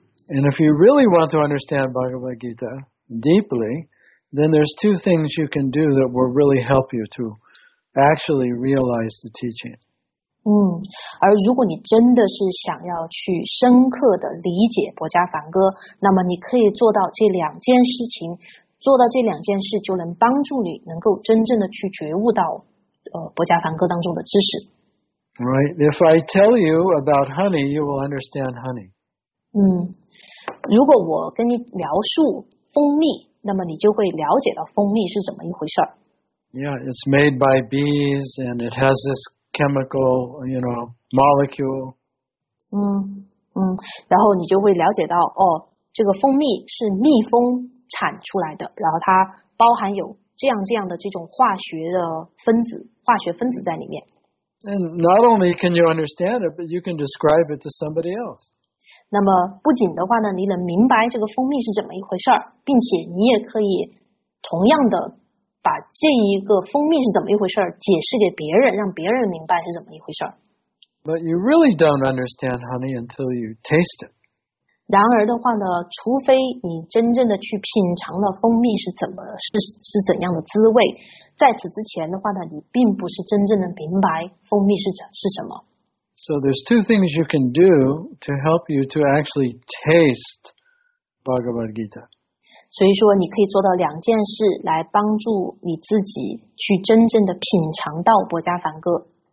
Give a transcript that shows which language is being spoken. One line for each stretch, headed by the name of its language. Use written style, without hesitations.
English: And if you really want to understand Bhagavad Gita deeply, then there's two things you can do that will really help you to actually realize the teaching.
Chinese: 而如果你真的是想要去深刻的理解《薄伽梵歌》，那么你可以做到这两件事情，做到这两件事就能帮助你能够真正的去觉悟到《薄伽梵歌》当中的知识。
English: Right, if I tell you about honey, you will understand honey.
Chinese: 如果我跟你描述蜂蜜，那么你就会了解到蜂蜜是怎么一回事。
English: Yeah, it's made by bees and it has this. Chemical, you know, molecule.
Chinese: 然后你就会了解到，哦，这个蜂蜜是蜜蜂产出来的，然后它包含有这样的这种化学的分子，化学分子在里面。
English: And not only can you understand it, but you can describe it to somebody else.
Chinese: 那么不仅的话呢，你能明白这个蜂蜜是怎么一回事，并且你也可以同样的。把这一个蜂蜜是怎么一回事解释给别人，让别人明白是怎么一回事。
English: But you really don't understand honey until you taste it.
Chinese: 然而的话呢，除非你真正的去品尝了蜂蜜是怎样的滋味，在此之前的话呢，你并不是真正的明白蜂蜜是什么。
English: So there's two things you can do to help you to actually taste Bhagavad Gita.
Chinese: 所以说你可以做到两件事来帮助你自己去真正的品尝到薄伽梵歌。